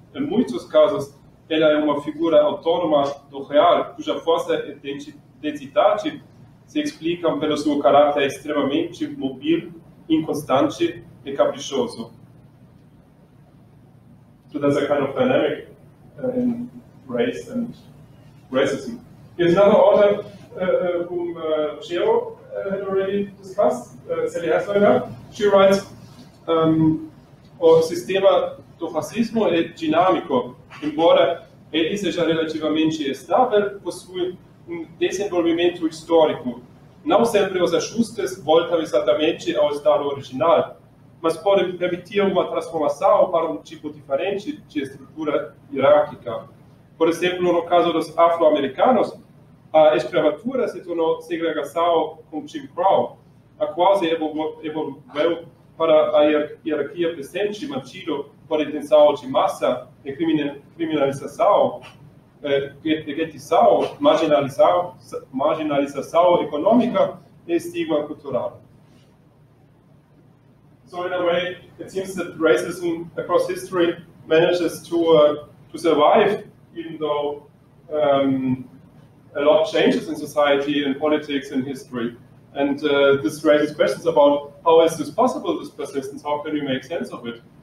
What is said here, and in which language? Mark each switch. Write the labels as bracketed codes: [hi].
[pt] Em muitos casos, ela é uma figura autônoma do real, cuja força e densidade se explicam pelo seu caráter extremamente mobil, inconstante e caprichoso. [en] So there's a kind of dynamic in race and racism. Here's another author whom Chiro had already discussed, Sally Hasselberger. She writes, [pt] o sistema do racismo é dinâmico, embora ele seja relativamente estável, possui desenvolvimento histórico. Não sempre os ajustes voltam exatamente ao estado original, mas podem permitir uma transformação para tipo diferente de estrutura hierárquica. Por exemplo, no caso dos afro-americanos, a escravatura se tornou segregação com Jim Crow, a qual se evolveu para a hierarquia presente mantida por intenção de massa e criminalização, guetização, marginalização econômica e estigma cultural. [en] So in a way, it seems that racism across history manages to survive, even though a lot changes in society and politics and history. And this raises questions about how is this possible, this persistence, how can we make sense of it?